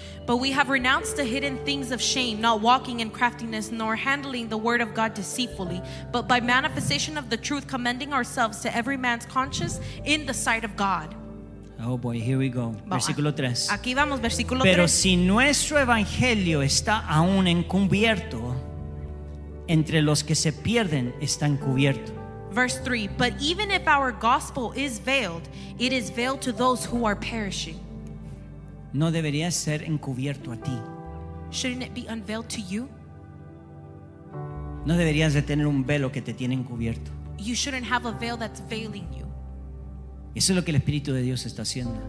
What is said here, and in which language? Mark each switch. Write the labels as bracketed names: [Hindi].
[English] But we have renounced the hidden things of shame, not walking in craftiness, nor handling the word of God deceitfully, but by manifestation of the truth, commending ourselves to every man's conscience in the sight of God. Oh boy, here we go. [Spanish] Versículo 3. Aquí vamos, versículo 3. Pero si nuestro evangelio está aún encubierto, entre los que se pierden está encubierto. [English] Verse 3. But even if our gospel is veiled, it is veiled to those who are perishing. [Spanish] No debería ser encubierto a ti. [English] Shouldn't it be unveiled to you? [Spanish] No deberías de tener un velo que te tiene encubierto. [English] You shouldn't have a veil that's veiling you. [Spanish] Eso es lo que el Espíritu de Dios está haciendo.